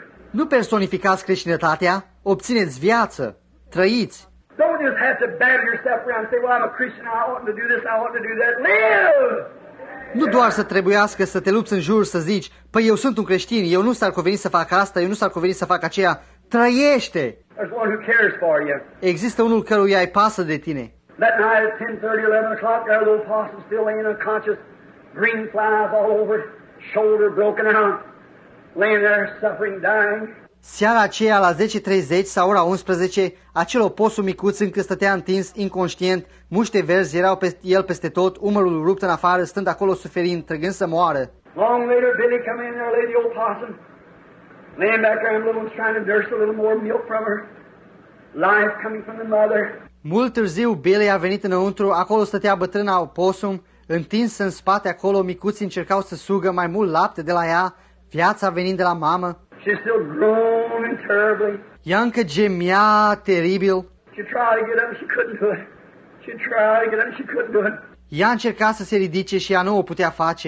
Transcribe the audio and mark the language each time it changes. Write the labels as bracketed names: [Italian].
[Romanian] Nu personificați creștinătatea, obțineți viață, trăiți. [English] Don't just have to batter yourself around and say, well, I'm a Christian, I ought to do this, I ought to do that. Live! [Romanian] Nu doar să trebuiască să te lupți în jur, să zici, păi eu sunt un creștin, eu nu s-ar cuveni să fac asta, eu nu s-ar cuveni să fac aceea. Trăiește! [English] There's one who cares for you. [Romanian] Există unul căruia îi pasă de tine. [English] That night at 10:30, 11 o'clock, there are little possums still laying unconscious, green flies all over, shoulder broken out, laying there suffering, dying. [Romanian] Seara aceea, la 10:30 sau ora 11, acel oposum micuț încă stătea întins, inconștient, muște verzi erau peste el peste tot, umărul rupt în afară, stând acolo suferind, trăgând să moară. [English] Long later, Billy come in there, lady old possum, laying back there, little ones trying to nurse a little more milk from her, life coming from the mother. [Romanian] Mult târziu, Billy a venit înăuntru, acolo stătea bătrâna oposum, întins în spate acolo, micuții încercau să sugă mai mult lapte de la ea, viața venind de la mamă. [English] She's still groaning terribly. [Romanian] Ea încă gemea teribil. [English] She tried to get up, she couldn't do it. She tried to get up, she couldn't do it. [Romanian] Ea încerca să se ridice și ea nu o putea face.